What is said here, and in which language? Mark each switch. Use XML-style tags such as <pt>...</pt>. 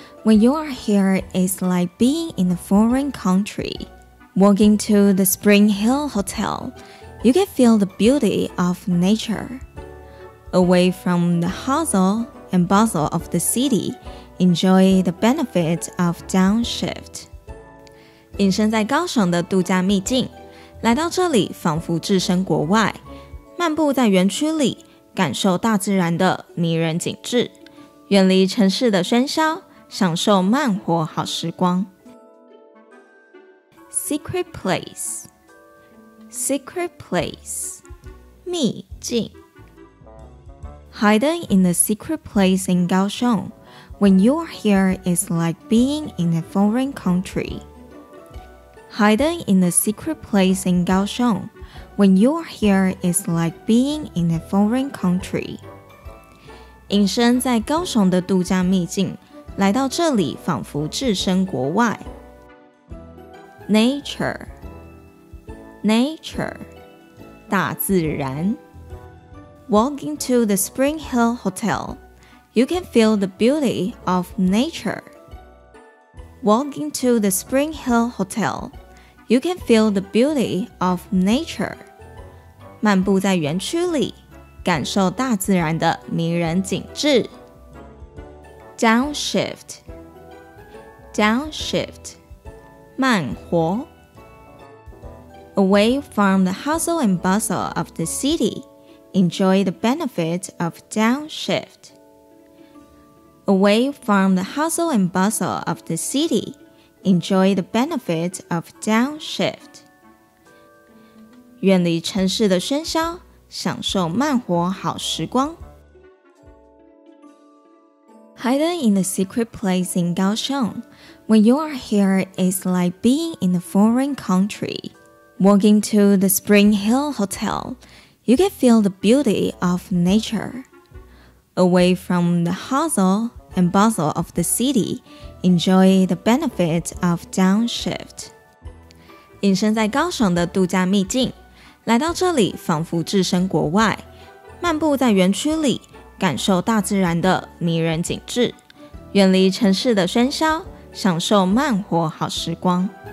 <en>When you are here, it's like being in a foreign country. Walking to the Spring Hill Hotel, you can feel the beauty of nature. Away from the hustle and bustle of the city, enjoy the benefit of downshift.</en> <zh>隐身在高雄的度假秘境，来到这里仿佛置身国外，漫步在园区里，感受大自然的迷人景致，远离城市的喧嚣，享受慢活好时光。</zh> <en>Secret Place Secret Place 秘境 Hidden in a secret place in Kaohsiung, when you are here is like being in a foreign country. Hidden in a secret place in Kaohsiung, when you are here is like being in a foreign country.</en> <zh>隐身在高雄的度假秘境，来到这里仿佛置身国外。</zh> <en>Nature Nature 大自然。 Walking to the Spring Hill Hotel, you can feel the beauty of nature. Walking to the Spring Hill Hotel, you can feel the beauty of nature.</en> <zh>漫步在园区里，感受大自然的迷人景致。</zh> <en>Downshift Downshift 慢活。 Away from the hustle and bustle of the city, enjoy the benefit of downshift. Away from the hustle and bustle of the city, enjoy the benefit of downshift.</en> <zh>远离城市的喧嚣，享受慢活好时光。</zh> <en>Hidden in a secret place in Kaohsiung, when you are here, it's like being in a foreign country. Walking to the Spring Hill Hotel, you can feel the beauty of nature. Away from the hustle and bustle of the city, enjoy the benefit of downshift.</en> <zh>隐身在高雄的度假秘境，来到这里仿佛置身国外，漫步在园区里，感受大自然的迷人景致，远离城市的喧嚣，享受慢活好时光。</zh>